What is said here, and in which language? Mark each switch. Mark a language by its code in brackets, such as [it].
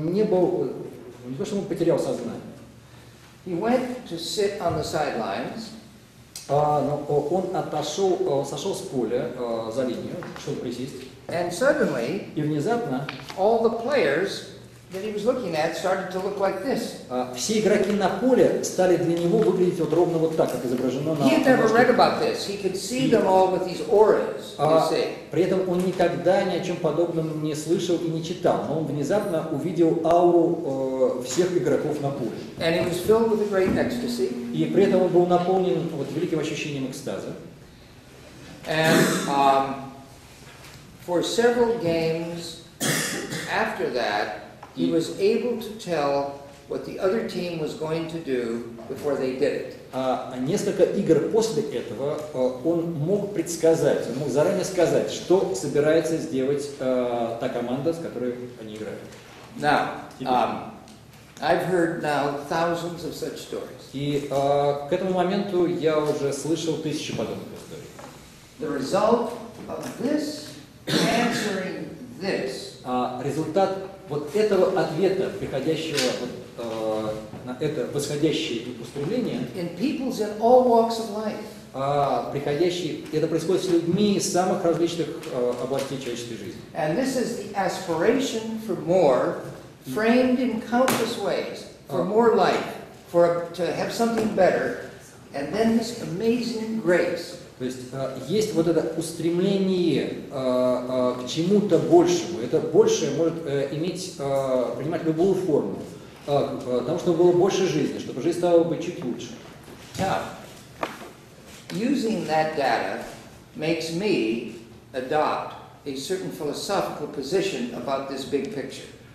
[ru] Не то, что он потерял сознание. [en] He went to sit on the sidelines. [ru] Он сошел с поля за линию, чтобы присесть. [en] And suddenly, [ru] и внезапно, [en] all the players that he was looking at started to look like this. [ru] Все игроки на поле стали для него выглядеть вот ровно вот так, как изображено на. [en] He had never read about this. He could see them all with these auras. [ru] При этом он никогда ни о чем подобном не слышал и не читал, но он внезапно увидел ауру всех игроков на поле. [en] And he was filled with a great ecstasy. [ru] И при этом он был наполнен вот великим ощущением экстаза. [en] And for several games after that, he was able to tell what the other team was going to do before they did it. [ru] Несколько игр после этого он мог предсказать, он мог заранее сказать, что собирается сделать та команда, с которой они играют. [en] Now, I've heard now thousands of such stories. [ru] И к этому моменту я уже слышал тысячи подобных историй. [en] The result of this answering this. [ru] Результат вот этого ответа, приходящего вот на это восходящее устремление. [en] In people's in all walks of life. [ru] Приходящие, это происходит с людьми из самых различных областей человеческой жизни. [en] And this is the aspiration for more. Framed in countless ways for more life, for to have something better, and then this amazing grace. [ru] То есть есть вот это устремление к чему-то большему. Это большее может иметь принимать любую форму, потому что было больше жизни, чтобы жизнь стала бы чуть лучше. [en] Now, using that data makes me adopt a certain philosophical position about this big picture.